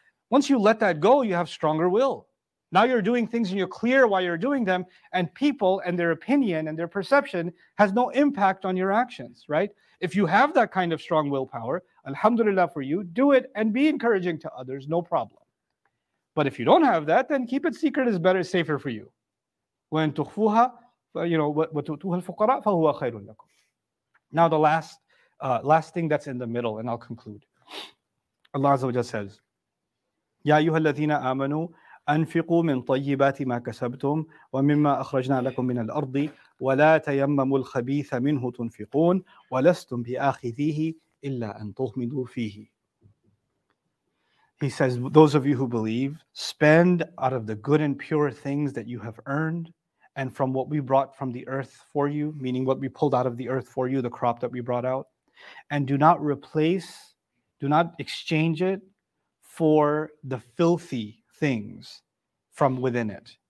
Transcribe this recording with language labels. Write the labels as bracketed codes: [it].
[en] Once you let that go, you have stronger will. Now you're doing things and you're clear why you're doing them, and people and their opinion and their perception has no impact on your actions, right? If you have that kind of strong willpower, alhamdulillah for you, do it and be encouraging to others, no problem. But if you don't have that, then keep it secret is better, safer for you. [ar] When tukhfuha, [en] you know, [ar] وَتُؤْتُوهَ الْفُقَرَاءَ فَهُوَ خَيْرٌ لَكُمْ. [en] Now the last thing that's in the middle, and I'll conclude. [ar] Allah Azza wa Jalla says, يَا أَيُّهَا الَّذِينَ آمَنُوا أَنْفِقُوا مِنْ طَيِّبَاتِ مَا كَسَبْتُمْ وَمِمَّا أَخْرَجْنَا لَكُمْ مِنَ الْأَرْضِ وَلَا تَيَمَّمُوا الْخَبِيثَ مِنْهُ تُنْفِقُونَ وَلَسْتُمْ بِآخِذِيهِ إِلَّا أَنْ تُغْمِدُوا فِيهِ. [en] He says, those of you who believe, spend out of the good and pure things that you have earned and from what we brought from the earth for you, meaning what we pulled out of the earth for you, the crop that we brought out, and do not replace, do not exchange it for the filthy things from within it.